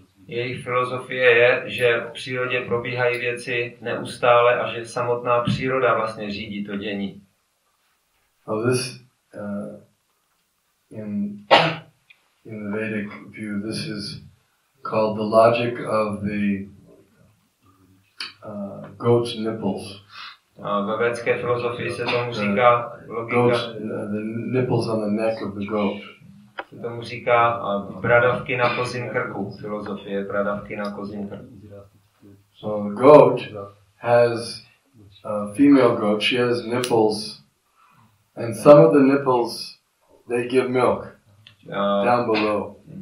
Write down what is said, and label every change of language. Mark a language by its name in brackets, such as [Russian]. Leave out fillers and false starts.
[Czech] Jejich filozofie je, že v přírodě probíhají věci neustále a že samotná příroda vlastně řídí to dění. [English] So this, in the Vedic view, this is called the logic of the goat's nipples. [Czech] Ve vedské filozofii se tomu říká logika. [English] The nipples on the neck of the goat. [Czech] Se tomu říká bradavky na kozím krku. Filozofie bradavky na kozím krku. [English] So the goat has a female goat. She has nipples, and some of the nipples they give milk down below.